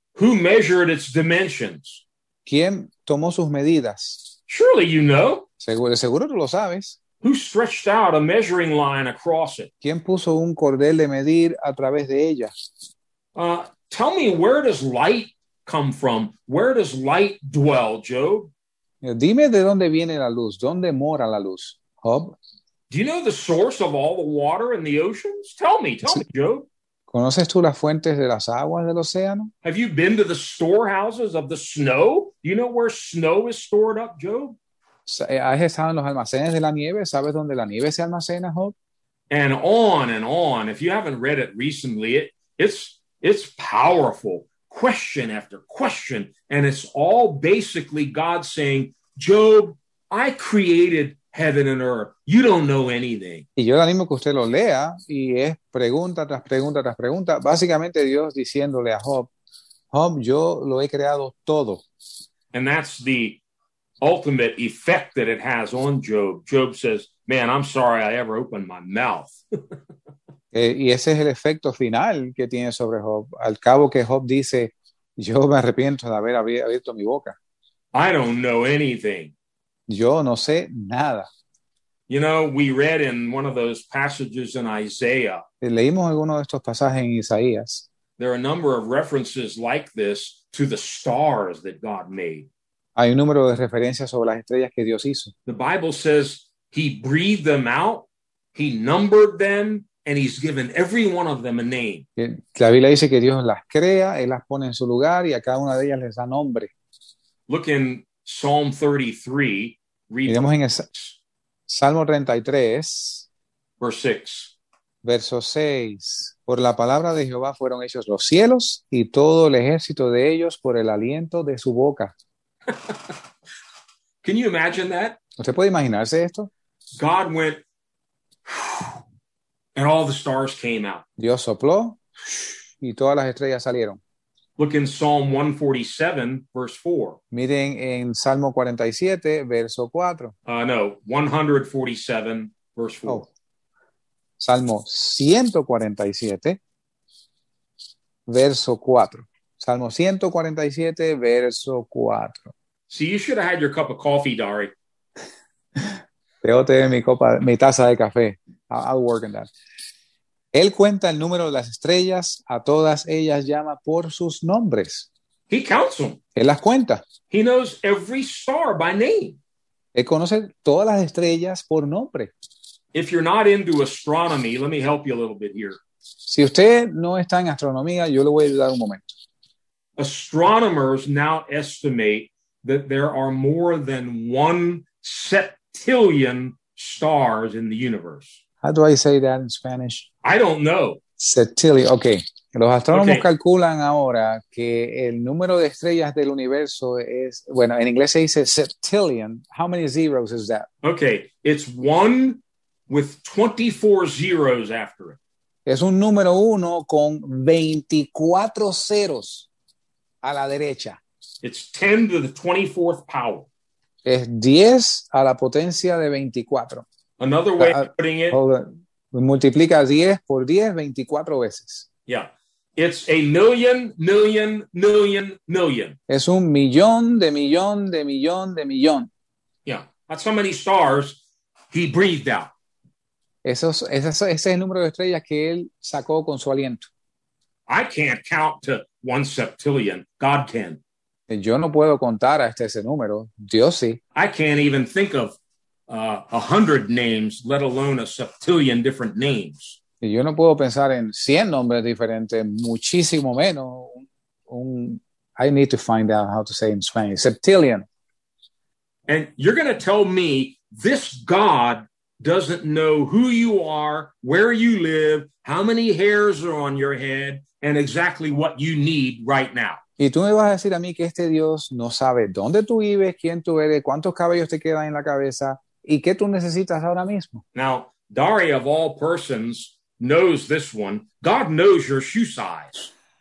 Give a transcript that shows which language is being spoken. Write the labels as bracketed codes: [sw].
[en] Who measured its dimensions? [es] ¿Quién tomó sus medidas? [en] Surely you know. [es] Seguro tú lo sabes. [en] Who stretched out a measuring line across it? [es] ¿Quién puso un cordel de medir a través de ella? [en] Tell me, where does light come from? Where does light dwell, Job? [es] Dime de dónde viene la luz. ¿Dónde mora la luz, Job? [en] Do you know the source of all the water in the oceans? Tell me, Job. [es] ¿Conoces tú las fuentes de las aguas del océano? [en] Have you been to the storehouses of the snow? Do you know where snow is stored up, Job? [es] ¿Has estado en los almacenes de la nieve? ¿Sabes dónde la nieve se almacena, Job? [en] And on and on. If you haven't read it recently, it's powerful. Question after question. And it's all basically God saying, Job, I created heaven and earth. You don't know anything. [es] Y yo le animo que usted lo lea, y es pregunta tras pregunta tras pregunta. Básicamente Dios diciéndole a Job, Job, yo lo he creado todo. [en] And that's the ultimate effect that it has on Job. Job says, man, I'm sorry I ever opened my mouth. [es] Y ese es el efecto final que tiene sobre Job. Al cabo que Job dice, yo me arrepiento de haber abierto mi boca. [en] I don't know anything. [es] Yo no sé nada. [en] You know, we read in one of those passages in Isaiah. [es] Leímos alguno de estos pasajes en Isaías. [en] There are a number of references like this to the stars that God made. [es] Hay un número de referencias sobre las estrellas que Dios hizo. [en] The Bible says he breathed them out, he numbered them, and he's given every one of them a name. [es] La Biblia dice que Dios las crea, él las pone en su lugar y a cada una de ellas les da nombre. [en] Look in Psalm 33, read. [es] Miremos en Salmo 33, [en] verse 6. [es] Verso 6. Por la palabra de Jehová fueron hechos los cielos y todo el ejército de ellos por el aliento de su boca. [en] Can you imagine that? [es] ¿Usted puede imaginarse esto? [en] God went and all the stars came out. [es] Dios sopló y todas las estrellas salieron. [en] Look in Psalm 147, verse 4. [es] Miren en Salmo 47, verso 4. [en] No, 147, verse 4. [es] Salmo 147, verso 4. Salmo 147, verso 4. [en] See, you should have had your cup of coffee, Dari. [es] Debo tener mi taza de café. [en] I'll work on that. [es] Él cuenta el número de las estrellas, a todas ellas llama por sus nombres. [en] He counts them. [es] Él las cuenta. [en] He knows every star by name. [es] Él conoce todas las estrellas por nombre. [en] If you're not into astronomy, let me help you a little bit here. [es] Si usted no está en astronomía, yo le voy a ayudar un momento. [en] Astronomers now estimate that there are more than 1 septillion stars in the universe. How do I say that in Spanish? I don't know. Septillion. Okay. [es] Los astrónomos calculan ahora que el número de estrellas del universo es, bueno, en inglés se dice septillion. [en] How many zeros is that? Okay. It's 1 with 24 zeros after it. [es] Es un número uno con 24 ceros a la derecha. [en] It's 10 to the 24th power. [es] Es 10 a la potencia de 24. [en] Another way of putting it. Hold on. [es] Multiplica 10 por 10, 24 veces. [en] Yeah. It's a million, million, million, million. [es] Es un millón de millón de millón de millón. [en] Yeah. That's how many stars he breathed out. [es] Ese es el número de estrellas que él sacó con su aliento. [en] I can't count to one septillion. God can. [es] Yo no puedo contar hasta ese número. Dios sí. [en] I can't even think of 100 names, let alone a septillion different names. [es] Yo no puedo pensar en 100 nombres diferentes, muchísimo menos. [en] I need to find out how to say in Spanish. Septillion. And you're going to tell me this God doesn't know who you are, where you live, how many hairs are on your head, and exactly what you need right now. [es] Y tú me vas a decir a mí que este Dios no sabe dónde tú vives, quién tú eres, cuántos cabellos te quedan en la cabeza, y qué tú necesitas ahora mismo. [en] Now, Dari, of all persons, knows this one. God knows your shoe size.